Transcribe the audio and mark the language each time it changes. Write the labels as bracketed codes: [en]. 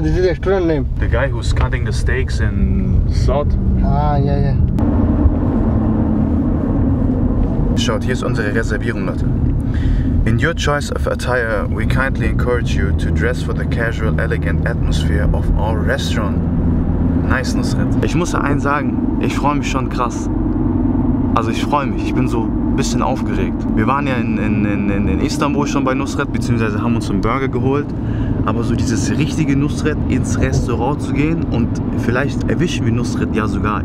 [en] This is the restaurant name. The guy who's cutting the steaks and salt. Ah, yeah, yeah. [de] Schaut, hier ist unsere Reservierung, Leute. [en] In your choice of attire, we kindly encourage you to dress for the casual, elegant atmosphere of our restaurant. Nice, Nusret. [de] Ich muss eins sagen, ich freue mich schon krass. Also ich freue mich, ich bin so ein bisschen aufgeregt. Wir waren ja in Istanbul schon bei Nusret, beziehungsweise haben uns einen Burger geholt. Aber so dieses richtige Nusret ins Restaurant zu gehen und vielleicht erwischen wir Nusret ja sogar.